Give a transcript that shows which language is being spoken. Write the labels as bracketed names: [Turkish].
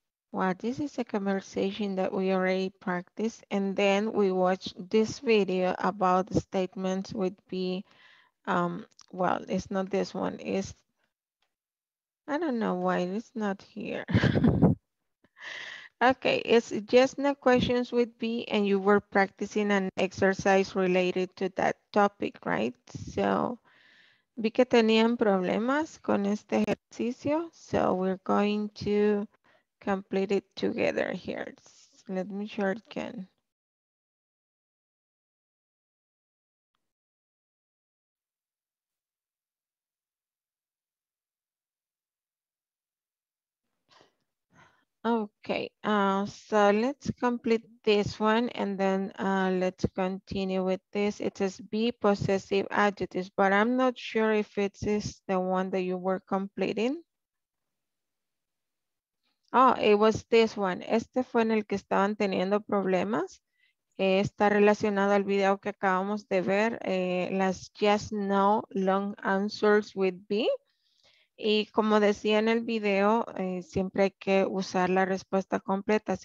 [English] Well, this is a conversation that we already practiced, and then we watched this video about the statements would be, well, it's not this one, it's I don't know why it's not here. Okay, it's just no questions with B, and you were practicing an exercise related to that topic, right? [Spanish] So, vi que tenían problemas con este ejercicio. [English] So, we're going to complete it together here. Let me shorten. Okay, so let's complete this one and then let's continue with this. It says be possessive adjectives, but I'm not sure if it is the one that you were completing. Oh, it was this one. [Spanish] Este fue en el que estaban teniendo problemas. Está relacionado al video que acabamos de ver, las [English] yes, no, long answers with be. [Spanish] Y como decía en el video, siempre hay que usar la respuesta completa.